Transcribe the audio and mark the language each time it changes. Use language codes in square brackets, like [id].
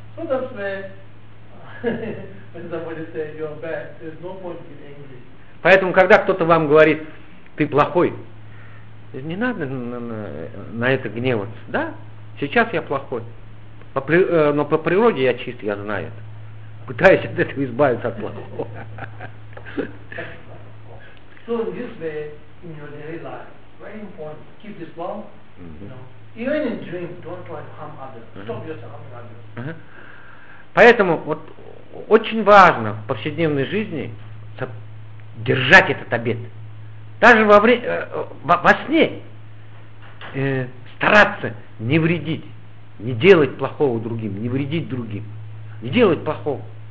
[en] So that's where when somebody says you're bad, there's no point in English. [ru] Поэтому, когда кто-то вам говорит, ты плохой, не надо на это гневаться, да? Сейчас я плохой. Но по природе я чист, я знаю это. Пытаюсь от этого избавиться от плохого. [en] So in this way, in your daily life, very important, keep this law, mm-hmm. You know, even in dreams, don't try to harm others, mm-hmm. Stop yourself harming others. Mm-hmm. [ru] Поэтому вот очень важно в повседневной жизни держать этот обет. Даже во сне стараться не вредить, не делать плохого другим, не вредить другим, не делать плохого.